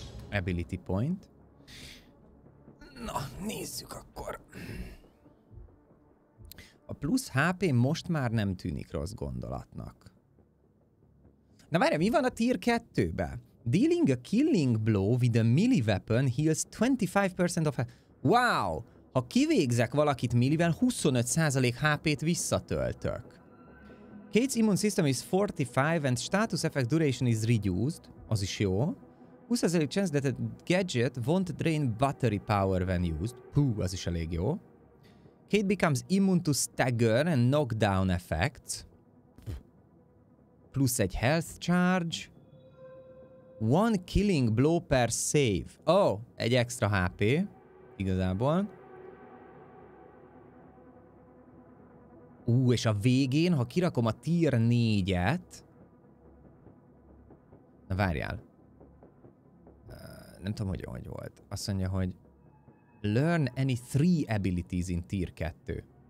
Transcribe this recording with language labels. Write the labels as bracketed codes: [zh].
[en] Ability point. [hu] Na, nézzük akkor. A plusz HP most már nem tűnik rossz gondolatnak. Na várj, mi van a tier 2-be? [en] Dealing a killing blow with a melee weapon heals 25% of health. Wow! [hu] Ha kivégzek valakit millivel, 25% HP-t visszatöltök. [en] Kate's immune system is 45 and status effect duration is reduced. [hu] Az is jó. [en] 20% chance that a gadget won't drain battery power when used. [hu] Hú, az is elég jó. [en] Kate becomes immune to stagger and knockdown effects. [hu] Plusz egy health charge. [en] One killing blow per save. Oh, [hu] egy extra HP. Igazából. És a végén, ha kirakom a tier 4-et... Na, várjál. Nem tudom, hogy ahogy volt. Azt mondja, hogy... [en] Learn any three abilities in tier 2.